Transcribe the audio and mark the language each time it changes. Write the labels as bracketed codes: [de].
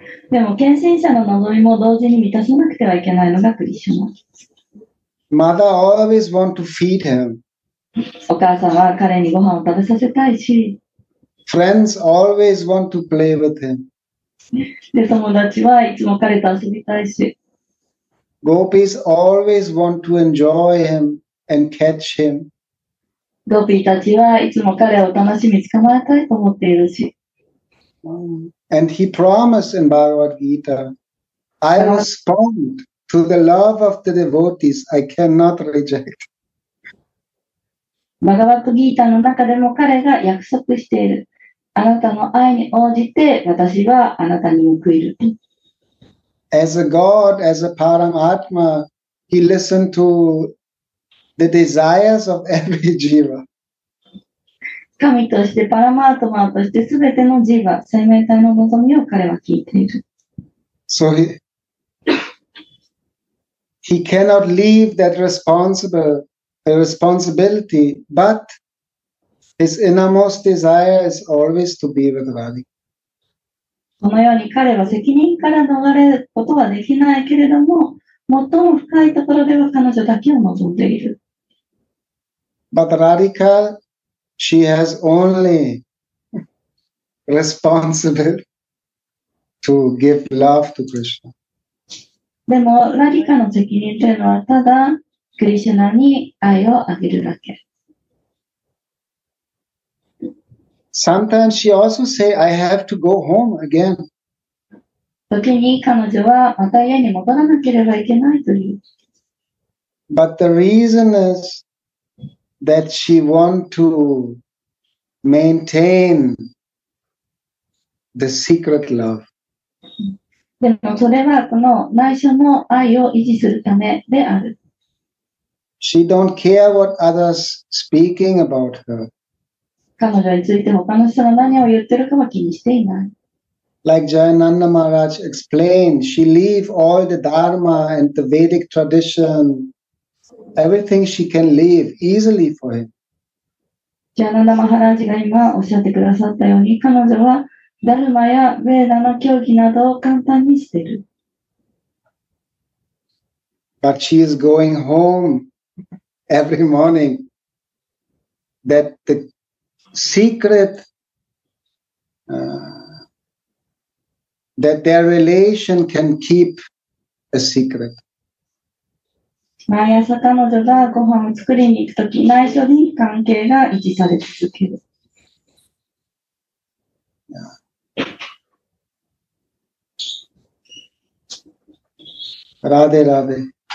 [ja] でも、献身者の望みも同時に満たさなくてはいけないのがクリシュナ。 [en] Mother always want to feed him. [ja] お母さんは彼にご飯を食べさせたいし。 [en] Friends always want to play with him. [ja] で、友達はいつも彼と遊びたいし。 [en] Gopis always want to enjoy him and catch him. [ja] ゴピーたちはいつも彼を楽しみ捕まえたいと思っているし。 [en] And he promised in Bhagavad Gita, I respond to the love of the devotees, I cannot reject. [ja] バガバットギータの中でも彼が約束している。あなたの愛に応じて私はあなたに報いる。 [en] As a god, as a paramatma, he listened toThe desires of every jiva. [ja] 神としてパラマートマーとしてすべてのジーバ、生命体の望みを彼は聞いている。 [en] So he cannot leave that responsibility, but his innermost desire is always to be with Radhi. [ja] このように彼は責任から逃れることはできないけれども、最も深いところでは彼女だけを望んでいる。 [en] But Radhika, she has only responsible to give love to Krishna. [ja] でもラディカの責任というのはただクリシュナに愛をあげるだけ。 [en] Sometimes she also say, I have to go home again. [ja] 時に彼女はまた家に戻らなければいけないという。 [en] But the reason is that she want to maintain the secret love. [ja] でもそれはこの内緒の愛を維持するためである。 [en] She don't care what others speaking about her. [ja] 彼女について他の人が何を言ってるかは気にしていない。 [en] Like Jayananda Maharaj explained, she leave all the dharma and the Vedic tradition, everything she can leave easily for him. [ja] Jayananda Maharaj が今おっしゃってくださったように、彼女はダルマやベーダの教義などを簡単にしている。 [en] But she is going home every morning. That theSecret, that their relation can keep a secret. [ja] 毎朝彼女がご飯を作りに行くとき、内緒に関係が維持され続ける。ラデラデ。